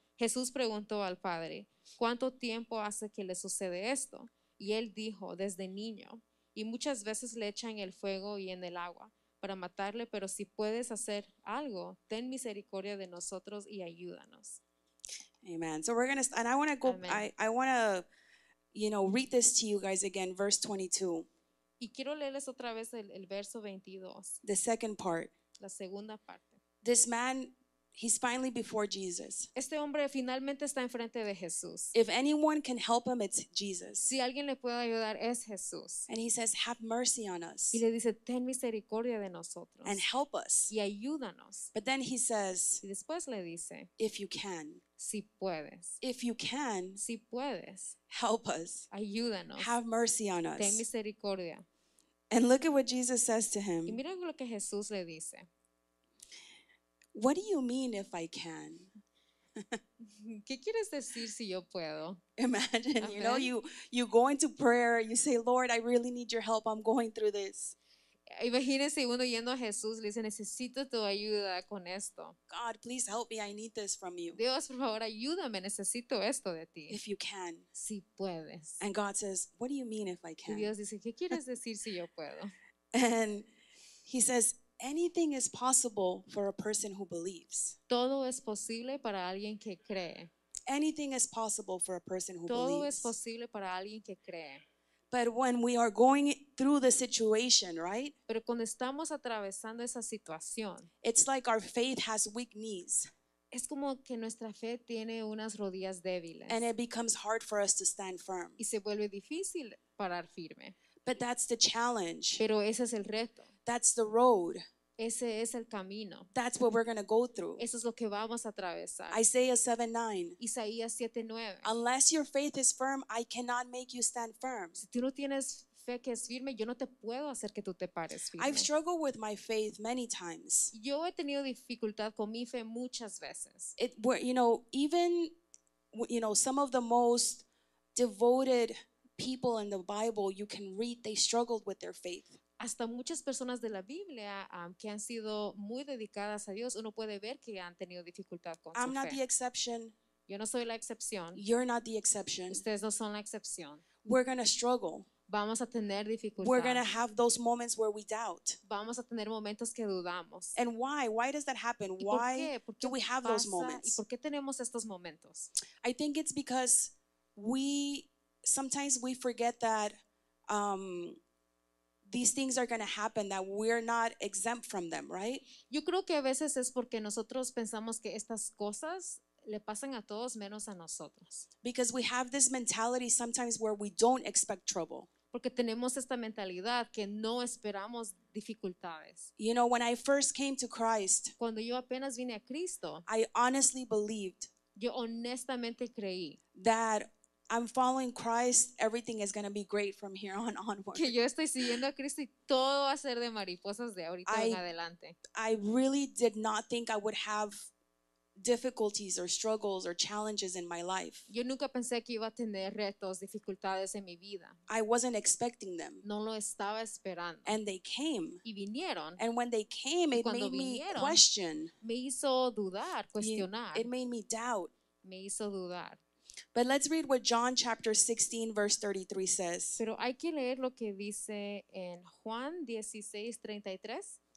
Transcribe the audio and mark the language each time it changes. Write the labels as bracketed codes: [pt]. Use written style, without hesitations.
[es] Jesús preguntó al Padre, ¿cuánto tiempo hace que le sucede esto? Y él dijo, desde niño. Y muchas veces le echan el fuego y en el agua para matarle, pero si puedes hacer algo, ten misericordia de nosotros y ayúdanos. Amen. [en] So we're going to, and I want to go, I want to, you know, read this to you guys again, verse 22. [es] Y quiero leerles otra vez el verso 22. [en] The second part. [es] La segunda parte. [en] This man, he's finally before Jesus. [es] Este hombre finalmente está enfrente de Jesús. [en] If anyone can help him, it's Jesus. [es] Si alguien le puede ayudar, es Jesús. [en] And he says, have mercy on us. [es] Y le dice, ten misericordia de nosotros. [en] And help us. [es] Y ayúdanos. [en] But then he says, [es] y después le dice, [en] if you can. [es] Si puedes. [en] If you can, [es] si puedes, [en] help us. [es] Ayúdanos. [en] Have mercy on us. [es] Ten misericordia. [en] And look at what Jesus says to him. [es] Y mira lo que Jesús le dice. [en] What do you mean if I can? [es] ¿Qué quieres decir si yo puedo? [en] Imagine, Amen. You know, you go into prayer, you say, Lord, I really need your help, I'm going through this. [es] Imagínese uno yendo a Jesús, le dice, necesito tu ayuda con esto. [en] God, please help me, I need this from you. [es] Dios, por favor, ayúdame, necesito esto de ti. [en] If you can. [es] Si puedes. [en] And God says, what do you mean if I can? [es] Y Dios dice, ¿qué quieres decir si yo puedo? [en] And he says, anything is possible for a person who believes. [es] Todo es posible para alguien que cree. [en] Anything is possible for a person who [es] Todo [en] believes. [es] Todo es posible para alguien que cree. [en] But when we are going through the situation, right? [es] Pero cuando estamos atravesando esa situación, [en] it's like our faith has weak knees. [es] Es como que nuestra fe tiene unas rodillas débiles. [en] And it becomes hard for us to stand firm. [es] Y se vuelve difícil parar firme. [en] But that's the challenge. [es] Pero ese es el reto. [en] That's the road. [es] Ese es el camino. [en] That's what we're going to go through. [es] Eso es lo que vamos a atravesar. [en] Isaiah 7:9. [es] Isaías 7:9. [en] Unless your faith is firm, I cannot make you stand firm. [es] Si tú no tienes fe que es firme, yo no te puedo hacer que tú te pares firme. [en] I've struggled with my faith many times. [es] Yo he tenido dificultad con mi fe muchas veces. [en] It, you know, even, you know, some of the most devoted people in the Bible, you can read, they struggled with their faith. [es] Hasta muchas personas de la Biblia que han sido muy dedicadas a Dios, uno puede ver que han tenido dificultad con su fe. [en] I'm not the exception. [es] Yo no soy la excepción. [en] You're not the exception. [es] Ustedes no son la excepción. [en] We're going to struggle. [es] Vamos a tener dificultad. [en] We're going to have those moments where we doubt. [es] Vamos a tener momentos que dudamos. [en] And why? Why does that happen? Why do we have those moments? [es] ¿Y por qué tenemos estos momentos? [en] I think it's because we sometimes we forget that these things are going to happen, that we're not exempt from them, right? [es] Yo creo que a veces es porque nosotros pensamos que estas cosas le pasan a todos menos a nosotros. [en] Because we have this mentality sometimes where we don't expect trouble. [es] Porque tenemos esta mentalidad que no esperamos dificultades. [en] You know, when I first came to Christ, [es] cuando yo apenas vine a Cristo, [en] I honestly believed, [es] yo honestamente creí, [en] that I'm following Christ, everything is going to be great from here on onward. [es] Que yo estoy siguiendo a Cristo y todo va a ser de mariposas de ahorita en adelante. [en] I really did not think I would have difficulties or struggles or challenges in my life. [es] Yo nunca pensé que iba a tener retos, dificultades en mi vida. [en] I wasn't expecting them. [es] No lo estaba esperando. [en] And they came. [es] Y vinieron. [en] And when they came, it made me question. [es] Me hizo dudar, cuestionar. [en] It made me doubt. [es] Me hizo dudar. [en] But let's read what John chapter 16 verse 33 says. [es] Pero hay que leer lo que dice en Juan 16:33.